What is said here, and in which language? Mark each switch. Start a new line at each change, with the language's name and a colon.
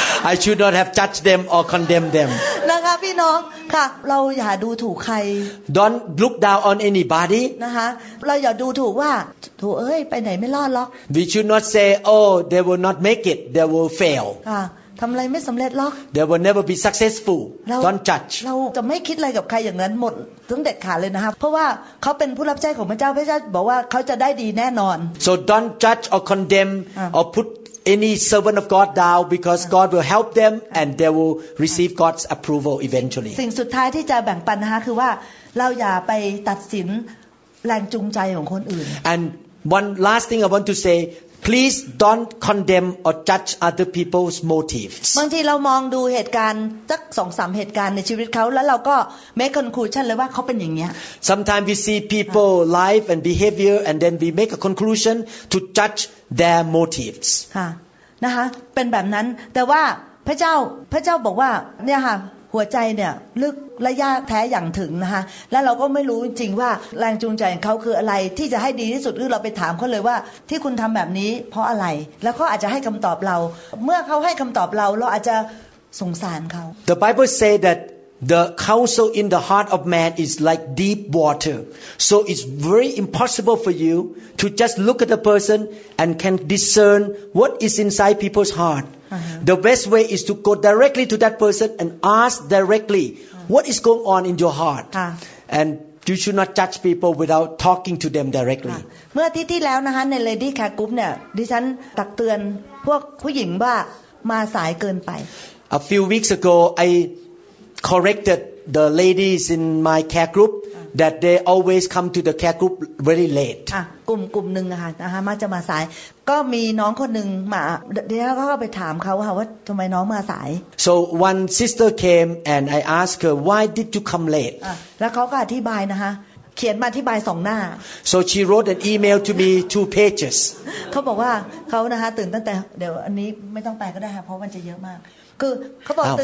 English: I should not have judged them or condemned them
Thai: นะคะพี่น้องค่ะเราอย่าดูถูกใคร
English: Don't look down on anybody
Thai: นะคะเราอย่าดูถูกว่าโถเอ้ยไปไหนไม่รอดหรอก
English: We should not say oh they will not make it they will fail
Thai: ค่ะทำอะไรไม่สำเร็จหรอก
English: They will never be successful Don't judge
Thai: เราจะไม่คิดอะไรกับใครอย่างนั้นหมดตั้งแต่ขาดเลยนะครับเพราะว่าเขาเป็นผู้รับใช้ของพระเจ้าพระเจ้าบอกว่าเขาจะได้ดีแน่นอน
English: So don't judge or condemn or putAny servant of God down because God will help them and they will receive God's approval eventually.
Thai: สิ่งสุดท้ายที่จะแบ่งปันนะคะคือว่าเราอย่าไปตัดสินแรงจูงใจของคนอื่น
English: And one last thing I want to say, please don't condemn or judge other people's motives.
Thai: บางทีเรามองดูเหตุการณ์สักสองสามเหตุการณ์ในชีวิตเขาแล้วเราก็
English: make conclusion
Thai: เลยว่าเขาเป็นอย่างเนี้ย
English: Sometimes we see people's life and behavior and then we make a conclusion to judgeTheir motives.
Thai: ค่ะนะคะเป็นแบบนั้นแต่ว่าพระเจ้าบอกว่าเนี่ยค่ะหัวใจเนี่ยลึกระยะแท้อย่างถึงนะคะแล้วเราก็ไม่รู้จริงๆว่าแรงจูงใจของเขาคืออะไรที่จะให้ดีที่สุดหรือเราไปถามเขาเลยว่าที่คุณทำแบบนี้เพราะอะไรแล้วเขาอาจจะให้คำตอบเราเมื่อเขาให้คำตอบเราเราอาจจะสงสารเขา
English: The Bible say that The counsel in the heart of man is like deep water. So it's very impossible for you to just look at a person and can discern what is inside people's heart. Uh-huh. The best way is to go directly to that person and ask directly, what is going on in your heart? And you should not judge people without talking to them directly.
Thai: เมื่ออาทิตย์ที่แล้วนะคะใน Lady Care Group เนี่ยดิฉันตักเตือนพวกผู้หญิงว่ามาสายเกินไป
English: A few weeks ago I corrected the ladies in my care group that they always come to the care group very late.
Thai: กลุ่มนึงอ่ะนะคะมาจะมาสายก็มีน้องคนนึงมาเดี๋ยวก็เข้าไปถามเขาค่ะว่าทำไมน้องมาสาย
English: So one sister came and I asked her why did you come late?
Thai: แล้วเขาก็อธิบายนะคะเขียนมาอธิบาย2หน้า
English: So she wrote an email to me 2 pages.
Thai: เขาบอกว่าเขานะคะตื่นตั้งแต่เดี๋ยวอันนี้ไม่ต้องไปก็ได้ค่ะเพราะมันจะเยอะมากคือเขาบอก